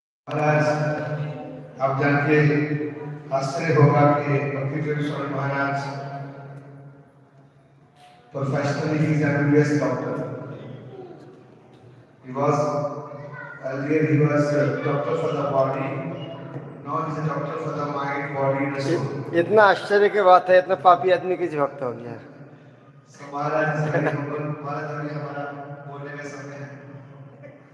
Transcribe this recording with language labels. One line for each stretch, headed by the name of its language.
Hindi: आप जानते आश्चर्य होगा कि भक्ति प्रेमेश्वर महाराज professionally
English: He is an US doctor. He was earlier he was a doctor for the body. Now he is a doctor for the mind, body and soul.
Hindi: इतना आश्चर्य की बात है, इतना पापी आदमी किस भक्त हो गया. महाराज महाराज अभी हमारा बोलने का समय है.